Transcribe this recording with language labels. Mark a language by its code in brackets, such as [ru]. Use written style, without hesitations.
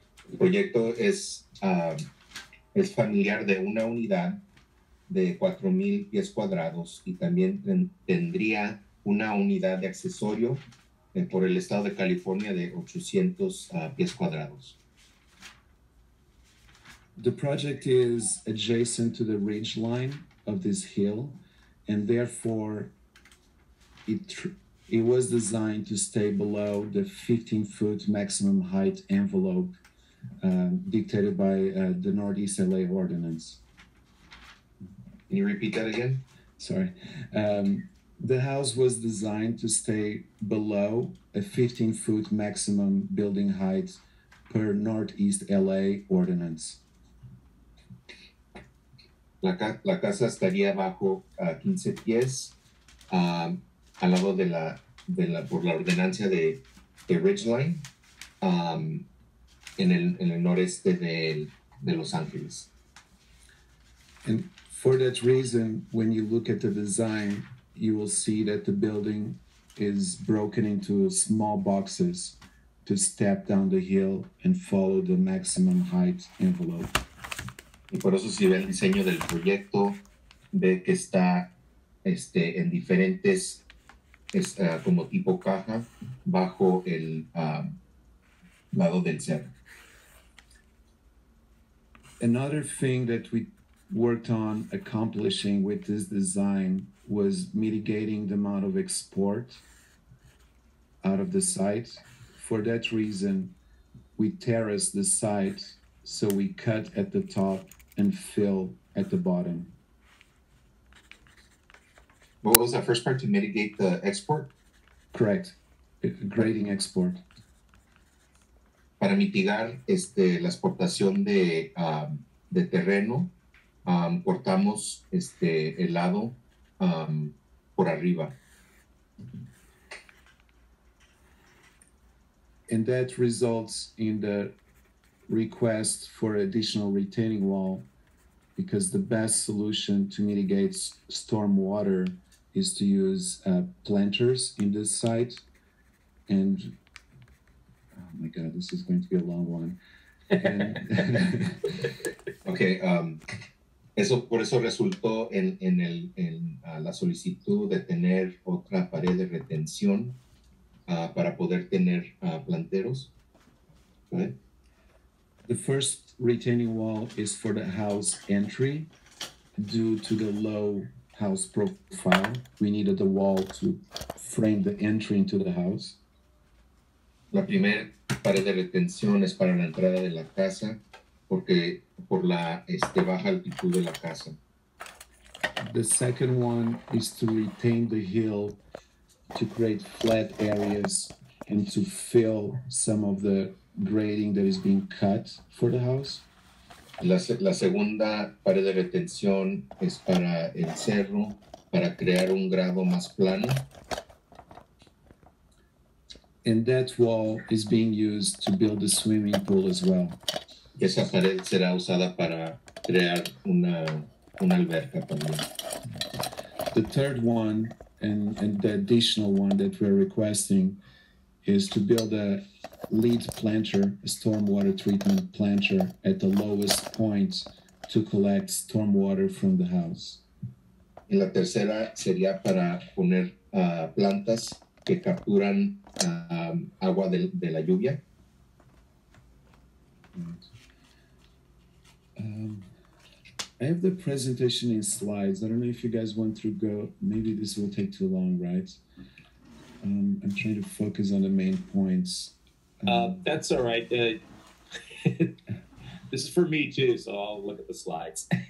[es] El proyecto es familiar de una unidad de 4,000 pies cuadrados y también tendría una unidad de accesorio por el estado de California de 800 pies cuadrados. [en] The project is adjacent to the ridge line of this hill, and therefore it was designed to stay below the 15-foot maximum height envelope dictated by the Northeast LA ordinance. Can you repeat that again? Sorry. The house was designed to stay below a 15-foot maximum building height per Northeast LA ordinance. [es] La casa estaría bajo 15 pies al lado de la por la ordenancia de Ridgeline en el noreste de Los Ángeles. [en] And for that reason, when you look at the design, you will see that the building is broken into small boxes to step down the hill and follow the maximum height envelope. [es] Y por eso si ve el diseño del proyecto, ve que está en diferentes, como tipo caja, bajo el lado del cerro. [en] Another thing that we worked on accomplishing with this design was mitigating the amount of export out of the site. For that reason, we terraced the site so we cut at the top and fill at the bottom. What was that first part, to mitigate the export? Correct. Grading export. [es] Para mitigar la exportación de terreno, cortamos el lado por arriba. [en] And that results in the request for additional retaining wall, because the best solution to mitigate storm water is to use planters in this site. And oh my God, this is going to be a long one. Okay. [es] Eso por eso resultó en la solicitud de tener otra pared de retención para poder tener planteros. Okay. [en] The first retaining wall is for the house entry due to the low house profile. We needed the wall to frame the entry into the house. [es] La primera pared de retención es para la entrada de la casa porque por la baja altitud de la casa. [en] The second one is to retain the hill to create flat areas and to fill some of the grading that is being cut for the house. [es] La segunda pared de retención es para el cerro, para crear un grado más plano. [en] And that wall is being used to build a swimming pool as well. [es] Esa pared será usada para crear una alberca también. [en] The third one, and the additional one that we're requesting, is to build a lead planter, a stormwater treatment planter, at the lowest point to collect stormwater from the house. [es] Y la tercera sería para poner plantas que capturan agua de la lluvia. [en] I have the presentation in slides. I don't know if you guys want to go. Maybe this will take too long, right? I'm trying to focus on the main points. That's all right. this is for me too, so I'll look at the slides.